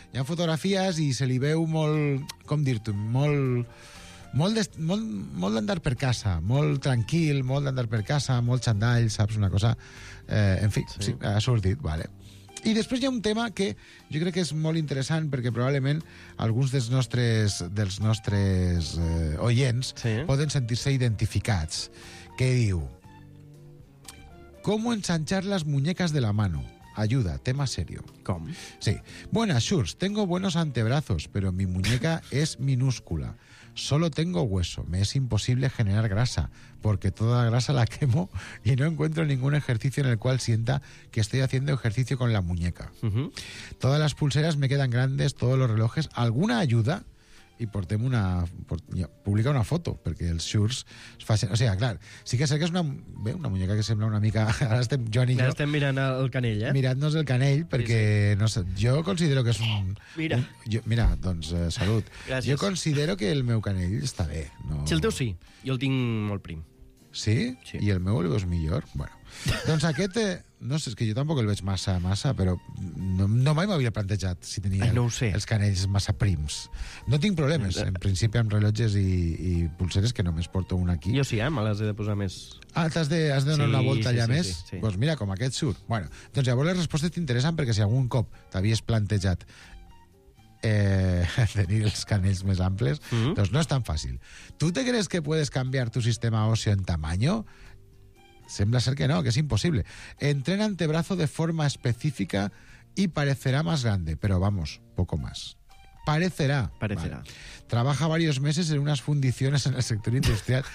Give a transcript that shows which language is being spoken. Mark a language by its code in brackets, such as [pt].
[ca] Hi ha fotografies i se li veu molt, com dir-t'ho, molt d'andar per casa, molt tranquil, molt d'andar per casa, molt xandall, saps, una cosa... en fi, sí, ha sortit, vale. I després hi ha un tema que jo crec que és molt interessant perquè probablement alguns dels nostres oients poden sentir-se identificats. Què diu? [es] ¿Cómo ensanchar las muñecas de la mano? Ayuda, tema serio. [ca] ¿Com? Sí. [es] Buenas, Shurs, tengo buenos antebrazos, pero mi muñeca es minúscula. Solo tengo hueso. Me es imposible generar grasa, porque toda la grasa la quemo y no encuentro ningún ejercicio en el cual sienta que estoy haciendo ejercicio con la muñeca. Todas las pulseras me quedan grandes, todos los relojes. ¿Alguna ayuda? Y publica una foto, porque el Shurs... O sea, claro, sí que sé que es una muñeca que [ca] sembla una mica... Ahora estem, Joan i jo... Estem mirant el canell, eh? Mirant-nos el canell, perquè sí. No sé, jo considero que és un... Mira. Mira, doncs, salut. Gràcies. Jo considero que el meu canell està bé. No... Sí, el teu sí. Jo el tinc molt prim. Sí? Sí. I el meu el veus millor? Bueno. Doncs aquest... No sé, és que jo tampoc el veig massa, però no mai m'havia plantejat si tenia els canells massa prims. No tinc problemes, en principi, amb rellotges i pulseres, que només porto un aquí. Jo sí, me les he de posar més. Ah, has de donar una volta allà més? Sí. Doncs mira, com aquest surt. Bueno, doncs llavors les respostes t'interessen, perquè si algun cop t'havies plantejat tenir els canells més amples, doncs no és tan fàcil. [es] ¿Tú te crees que puedes cambiar tu sistema óseo en tamaño? [ca] Sembla ser que no, [es] que es imposible. Entrena antebrazo de forma específica y parecerá más grande, pero vamos, poco más. Parecerá. Parecerá. Vale. Trabaja varios meses en unas fundiciones en el sector industrial.